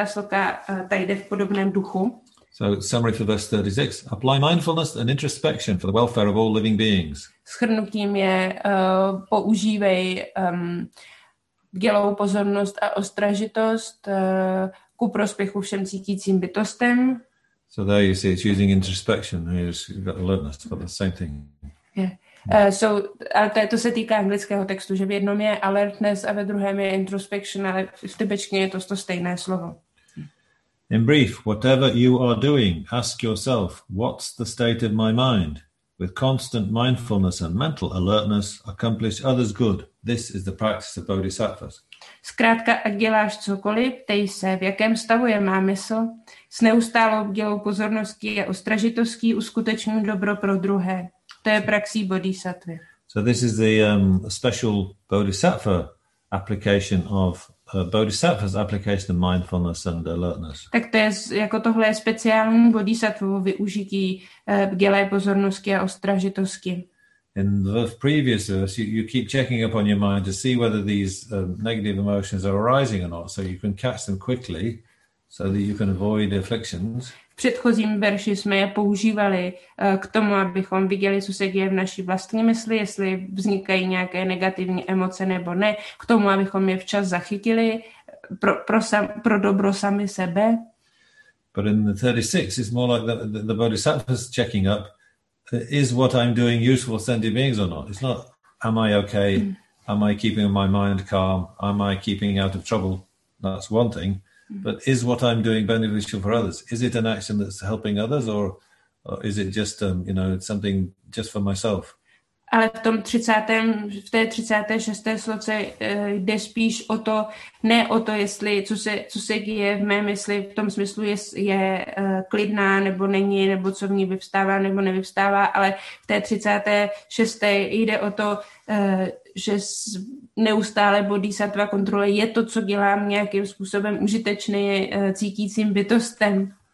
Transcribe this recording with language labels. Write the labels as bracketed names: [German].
[Czech] sloka tady jde v podobném duchu. [English] So summary for verse 36. Apply mindfulness and introspection for the welfare of all living beings. [Czech] Shrnutím je používej bdělou pozornost a ostražitost ku prospěchu všem cítícím bytostem. [English] So there you see, it's using introspection. You've got alertness, but the same thing. [Czech] Ale to se týká anglického textu, že v jednom je alertness a ve druhém je introspection, ale v tibetštině je to stejné slovo. [English] In brief, whatever you are doing, ask yourself, what's the state of my mind? With constant mindfulness and mental alertness, accomplish others' good. This is the practice of bodhisattvas. [Czech] Zkrátka, ať děláš cokoliv, ptej se, v jakém stavu je má mysl, s neustálou bdělou pozorností a ostražitostí uskutečňuj dobro pro druhé. To je praxí bodhisattvy. [English] So this is the special bodhisattva application of bodhisattva's application of mindfulness and alertness. [Czech] Tak to je, jako tohle je speciální bodhisattvovo využití bdělé pozornosti a ostražitosti. [English] In the previous verse, you keep checking up on your mind to see whether these negative emotions are arising or not, so you can catch them quickly, so that you can avoid afflictions. [Czech] V předchozím verši jsme je používali k tomu, abychom viděli, co se děje v naší vlastní mysli, jestli vznikají nějaké negativní emoce nebo ne, k tomu, abychom je včas zachytili pro dobro sami sebe. [English] But in the 36, it's more like the bodhisattva's checking up. Is what I'm doing useful to sentient beings or not? It's not, am I okay? Am I keeping my mind calm? Am I keeping out of trouble? That's one thing. But is what I'm doing beneficial for others? Is it an action that's helping others or is it just, you know, something just for myself? [Czech] Ale v té 36. sloce jde spíš o to, ne o to, jestli co se děje v mé mysli, v tom smyslu je klidná nebo není, nebo co v ní vyvstává nebo nevyvstává, ale v té 36. jde o to, že neustále bodhisattva kontroluje, je to, co dělám, nějakým způsobem užitečný cítícím bytostem.